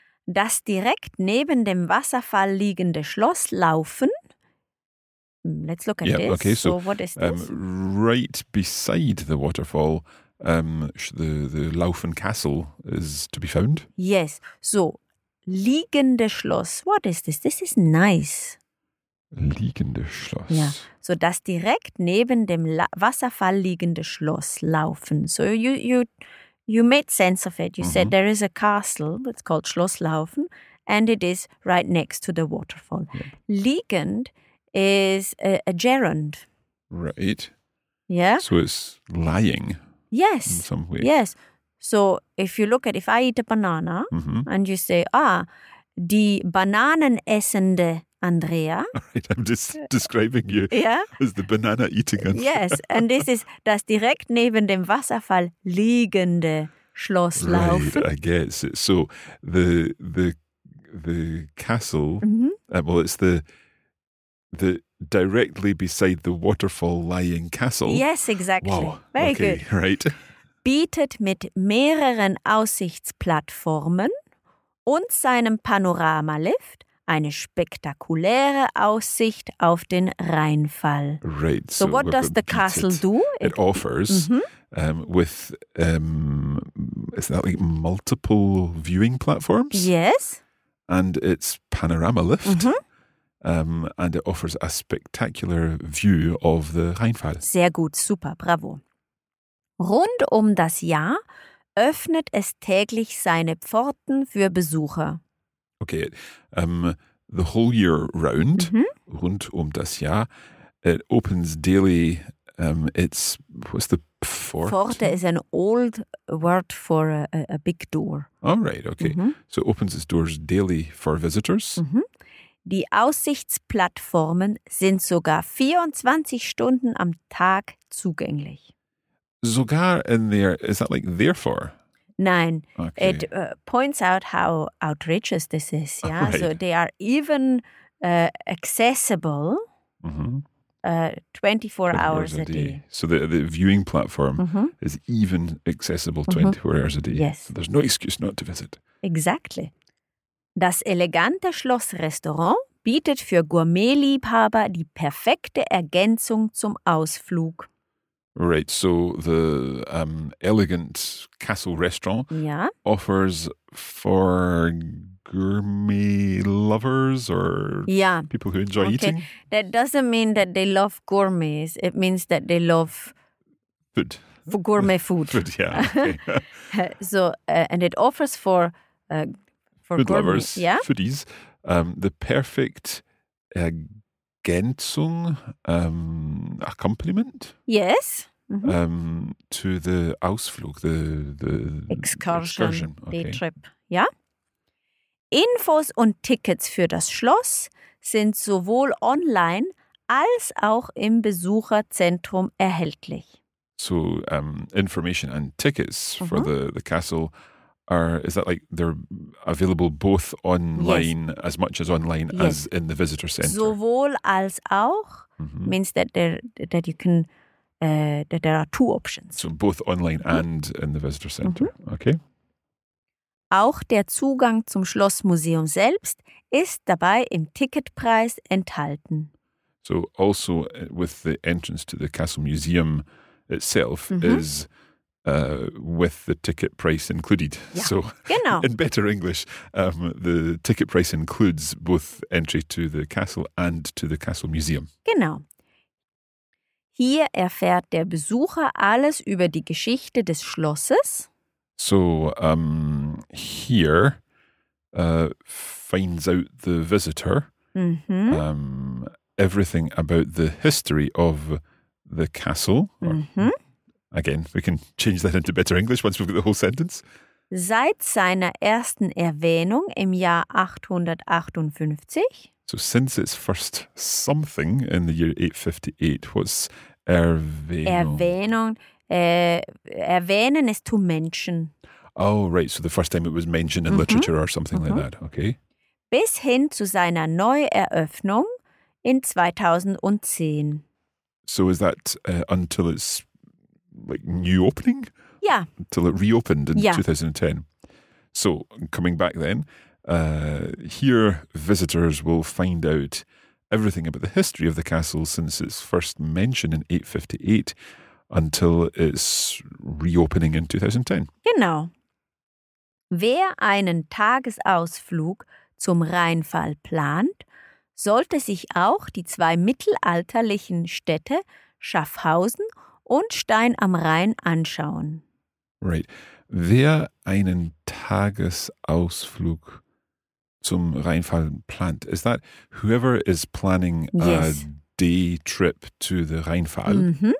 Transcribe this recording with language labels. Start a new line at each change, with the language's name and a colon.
German: Das direkt neben dem Wasserfall liegende Schloss Laufen.
English: Let's look at this. Okay, so what is this? Right beside the waterfall, the Laufen Castle is to be found. Yes. So,
German: liegende Schloss.
English: What is this? This is nice.
German: Liegende Schloss.
English: Yeah.
German: So, das direkt neben dem Wasserfall liegende Schloss Laufen.
English: So, you you made sense of it. You said there is a castle, it's called Schloss Laufen, and it is right next to the waterfall. Yep. Liegend is a gerund. Right. Yeah. So it's lying. Yes. In some way. Yes. So if you look at, if I eat a banana and you say, ah,
German: die Bananen essende Andrea.
English: Right, I'm just describing you as the banana eating Andrea. Yes, and this is
German: das direkt neben dem Wasserfall liegende Schloss Laufen.
English: Right, I guess. So the castle, well, it's the directly beside the waterfall lying castle. Yes, exactly. Wow. Very okay, good. Right.
German: Bietet mit mehreren Aussichtsplattformen und seinem Panoramalift eine spektakuläre Aussicht auf den Rheinfall.
English: Right. So what does the castle do? It offers with is that like multiple viewing platforms? Yes. And it's panorama lift. And it offers a spectacular view of the Rheinfall.
German: Sehr gut, super, bravo. Rund um das Jahr öffnet es täglich seine Pforten für Besucher.
English: Okay, the whole year round,
German: rund um das Jahr,
English: it opens daily, it's, what's the Pforte? Pforte is an old word for a big door. All right, okay. So it opens its doors daily for visitors.
German: Die Aussichtsplattformen sind sogar 24 Stunden am Tag zugänglich.
English: Sogar in there, is that like therefore?
German: Nein,
English: okay. It points out how outrageous this is. Yeah, right. So they are even accessible 24 hours a day. So the viewing platform is even accessible 24 hours a day. Yes. So there's no excuse not to visit. Exactly.
German: Das elegante Schlossrestaurant bietet für Gourmetliebhaber die perfekte Ergänzung zum Ausflug.
English: Right, so the elegant castle restaurant offers for gourmet lovers or people who enjoy eating. That doesn't mean that they love gourmets. It means that they love food. For gourmet food. Food, yeah. So, and it offers for food lovers, foodies, the perfect ergänzung, accompaniment. Yes. To the Ausflug, the excursion. Okay. The trip, yeah.
German: Infos und Tickets für das Schloss sind sowohl online als auch im Besucherzentrum erhältlich.
English: So information and tickets for the castle are, is that like they're available both online as much as online as in the visitor center?
German: Sowohl als auch
English: means that you can that there are two options. So both online and in the visitor center. Okay.
German: Auch der Zugang zum Schlossmuseum selbst ist dabei im Ticketpreis enthalten.
English: So also with the entrance to the castle museum itself is with the ticket price included.
German: Ja, so genau.
English: In better English, the ticket price includes both entry to the castle and to the castle museum.
German: Genau. Hier erfährt der Besucher alles über die Geschichte des Schlosses.
English: So, here finds out the visitor everything about the history of the castle. Again, we can change that into better English once we've got the whole sentence.
German: Seit seiner ersten Erwähnung im Jahr 858.
English: So, since its first something in the year 858, what's Erwähnung.
German: Erwähnen ist
English: to mention. Oh, right. So the first time it was mentioned in literature or something like that. Okay.
German: Bis hin zu seiner Neueröffnung in 2010.
English: So is that until its like new opening? Yeah. Until it reopened in 2010. So coming back then, here visitors will find out everything about the history of the castle since its first mention in 858 until its reopening in 2010.
German: Genau. Wer einen Tagesausflug zum Rheinfall plant, sollte sich auch die zwei mittelalterlichen Städte Schaffhausen und Stein am Rhein anschauen.
English: Right.
German: Wer einen Tagesausflug zum Rheinfall plant,
English: is that whoever is planning a day trip to the Rheinfall,